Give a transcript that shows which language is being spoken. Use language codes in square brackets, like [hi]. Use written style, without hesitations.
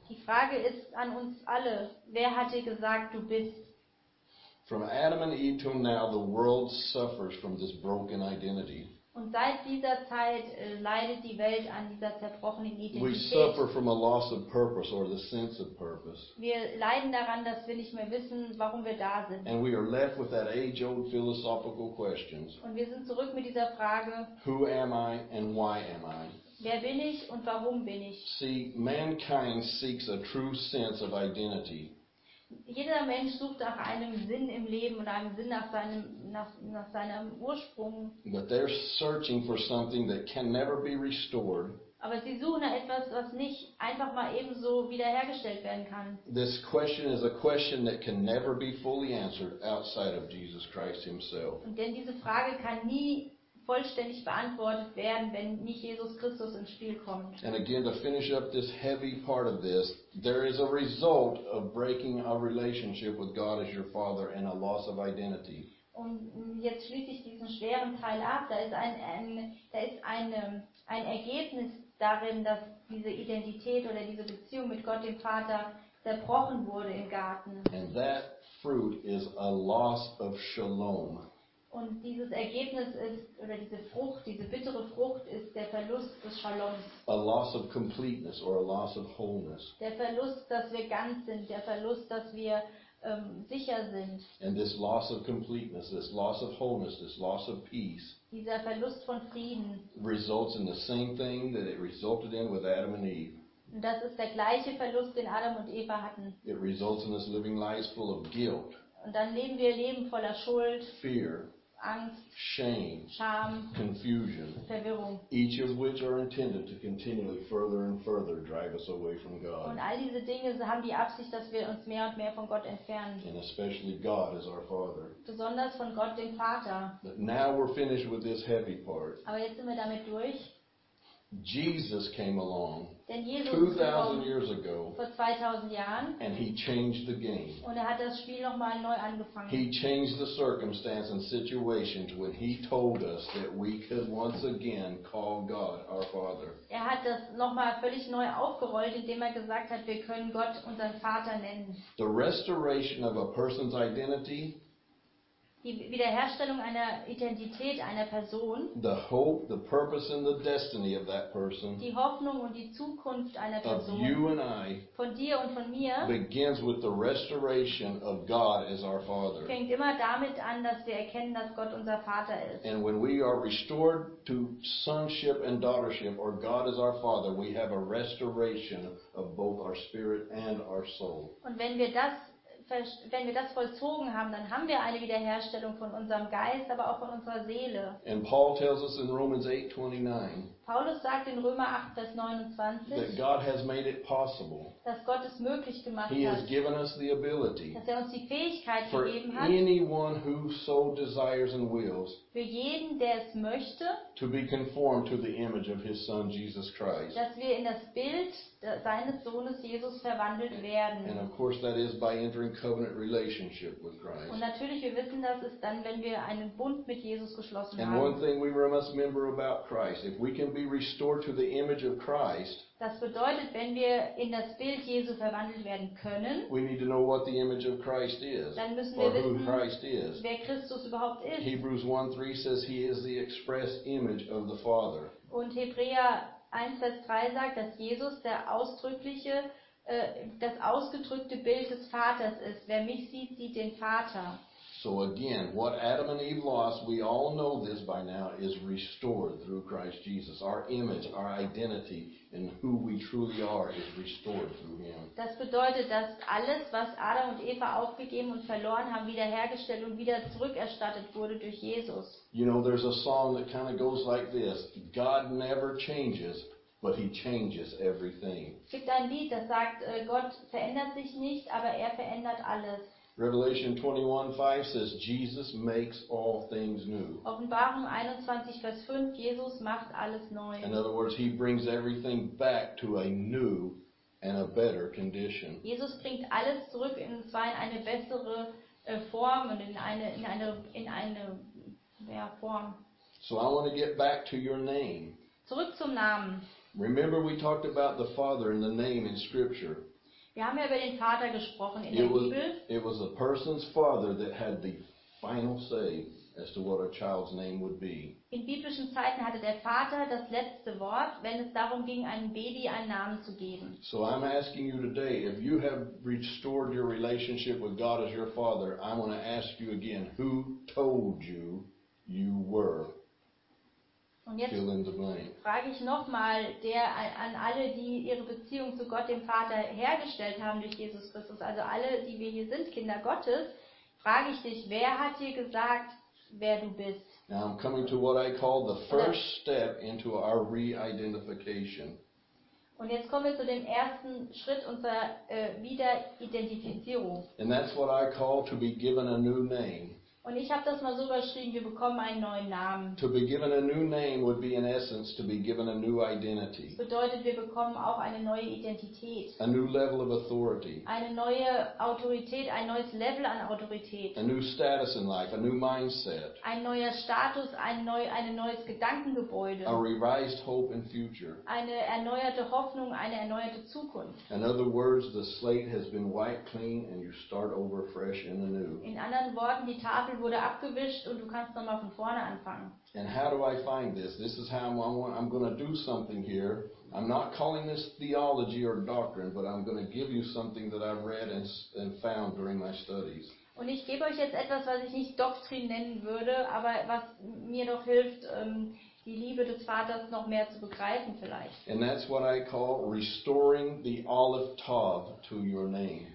[de] Die Frage ist an uns alle, wer hat dir gesagt, du bist? [en] From Adam and Eve till now, the world suffers from this broken identity. [de] Und seit dieser Zeit leidet die Welt an dieser zerbrochenen Identität. [en] We suffer from a loss of purpose or the sense of purpose. [de] Wir leiden daran, dass wir nicht mehr wissen, warum wir da sind. [en] And we are left with that age-old philosophical questions. [de] Und wir sind zurück mit dieser Frage. [en] Who am I and why am I? [de] Wer bin ich und warum bin ich? [en] See, mankind seeks a true sense of identity. [de] Jeder Mensch sucht nach einem Sinn im Leben und einem Sinn nach seinem Ursprung. [en] But they're searching for something that can never be restored. [de] Aber sie suchen nach etwas, was nicht einfach mal ebenso wiederhergestellt werden kann. [en] This question is a question that can never be fully answered outside of Jesus Christ himself. [de] Und denn diese Frage kann nie vollständig beantwortet werden, wenn nicht Jesus Christus ins Spiel kommt. [en] And again, to finish up this heavy part of this, there is a result of breaking our relationship with God as your Father and a loss of identity. [de] Und jetzt schließe ich diesen schweren Teil ab. Da ist ein Ergebnis darin, dass diese Identität oder diese Beziehung mit Gott, dem Vater, zerbrochen wurde im Garten. [en] And that fruit is a loss of shalom. [de] Und dieses Ergebnis ist, oder diese Frucht, diese bittere Frucht, ist der Verlust des Shaloms. [en] A loss of completeness or a loss of wholeness. [de] Der Verlust, dass wir ganz sind, der Verlust, dass wir sicher sind. [en] And this loss of completeness, this loss of wholeness, this loss of peace, [de] dieser Verlust von Frieden, [en] results in the same thing that it resulted in with Adam and Eve. [de] Und das ist der gleiche Verlust, den Adam und Eva hatten. [en] It results in us living lives full of guilt. [de] Und dann leben wir Leben voller Schuld, [en] fear, [de] Angst, [en] shame, [de] Scham, [en] confusion, [de] Verwirrung. [en] Each of which are intended to continually further and further drive us away from God. [de] Und all diese Dinge haben die Absicht, dass wir uns mehr und mehr von Gott entfernen. [en] And especially God as our Father. [de] Besonders von Gott, dem Vater. [en] But now we're finished with this heavy part. [de] Aber jetzt sind wir damit durch. [en] Jesus came along [de] Jesus [en] 2,000 years ago [de] vor 2000 Jahren, [en] and he changed the game. [de] Und hat das Spiel noch mal neu angefangen. [en] He changed the circumstance and situations when he told us that we could once again call God our Father. [de] Er hat das noch mal völlig neu aufgerollt, indem er gesagt hat, wir können Gott unseren Vater nennen. [en] The restoration of a person's identity, [de] die Wiederherstellung einer Identität einer Person, [en] the hope, the purpose and the destiny of that person, [de] die Hoffnung und die Zukunft einer Person, [en] of you and I, [de] von dir und von mir, [en] begins with the restoration of God as our Father. [de] Fängt immer damit an, dass wir erkennen, dass Gott unser Vater ist. [en] And when we are restored to sonship and daughtership, or God as our Father, we have a restoration of both our spirit and our soul. [de] Und wenn wir das vollzogen haben, dann haben wir eine Wiederherstellung von unserem Geist, aber auch von unserer Seele. [en] And Paul tells us in Romans 8:29. [de] Paulus sagt in Römer 8, Vers 29, [en] that God has made it possible. [de] Dass Gott es möglich gemacht [en] he [de] hat. [en] He has given us the ability. [de] Dass er uns die Fähigkeit gegeben hat. [en] For anyone who so desires and wills. [de] Für jeden, der es möchte. [en] To be conformed to the image of his son Jesus Christ. [de] Dass wir in das Bild seines Sohnes Jesus verwandelt werden. [en] And of course that is by entering covenant relationship with Christ. [de] Und natürlich, wir wissen, das ist dann, wenn wir einen Bund mit Jesus geschlossen [en] and [de] haben. [en] And one thing we must remember about Christ, if we can be restored to the image of Christ, [de] das bedeutet, wenn wir in das Bild Jesu verwandelt werden können, [en] we need to know what the image of Christ is, [de] dann müssen wir [en] or who [de] wissen, [en] Christ is. [de] Wer Christus überhaupt ist. [en] Hebrews 1:3 says he is the express image of the Father. [de] Und Hebräer 1, Vers 3 sagt, dass Jesus der ausdrückliche, das ausgedrückte Bild des Vaters ist. Wer mich sieht, sieht den Vater. [en] So again, what Adam and Eve lost, we all know this by now, is restored through Christ Jesus. Our image, our identity, and who we truly are is restored through him. [de] Das bedeutet, dass alles, was Adam und Eva aufgegeben und verloren haben, wiederhergestellt und wieder zurückerstattet wurde durch Jesus. [en] You know, there's a song that kind of goes like this. God never changes, but he changes everything. [de] Es gibt ein Lied, das sagt, Gott verändert sich nicht, aber er verändert alles. [en] Revelation 21:5 says Jesus makes all things new. [de] Offenbarung 21 Vers 5, Jesus macht alles neu. [en] In other words, he brings everything back to a new and a better condition. [de] Jesus bringt alles zurück in eine bessere Form und in eine Form. [en] So I want to get back to your name. [de] Zurück zum Namen. [en] Remember we talked about the Father and the name in scripture. [de] Wir haben ja über den Vater gesprochen in der Bibel. [en] It was a person's father that had the final say as to what a child's name would be. [de] In biblischen Zeiten hatte der Vater das letzte Wort, wenn es darum ging, einem Baby einen Namen zu geben. [en] So I'm asking you today, if you have restored your relationship with God as your Father, I want to ask you again, who told you you were? [de] Und jetzt frage ich nochmal an alle, die ihre Beziehung zu Gott, dem Vater, hergestellt haben durch Jesus Christus, also alle, die wir hier sind, Kinder Gottes, frage ich dich, wer hat dir gesagt, wer du bist? [en] Now I'm coming to what I call the first step into our re-identification. [de] Und jetzt kommen wir zu dem ersten Schritt unserer Wiederidentifizierung. [en] And that's what I call to be given a new name. [de] Und ich habe das mal so überschrieben, wir bekommen einen neuen Namen. [en] To be given a new name would be in essence to be given a new identity. [de] Das bedeutet, wir bekommen auch eine neue Identität. [en] A new level of authority. [de] Eine neue Autorität, ein neues Level an Autorität. [en] A new status in life, a new mindset. [de] Ein neuer Status, ein neues Gedankengebäude. [en] A revised hope and future. [de] Eine erneuerte Hoffnung, eine erneuerte Zukunft. [en] In other words, the slate has been wiped clean and you start over fresh and anew. [de] In anderen Worten, die Tafel wurde abgewischt und du kannst nochmal von vorne anfangen. [en] And how do I find this? This is how I'm going to do something here. I'm not calling this theology or doctrine, but I'm going to give you something that I've read and found during my studies. [de] Und ich gebe euch jetzt etwas, was ich nicht Doktrin nennen würde, aber was mir noch hilft, die Liebe des Vaters noch mehr zu begreifen vielleicht. [en] And that's what I call restoring the olive tav to your name.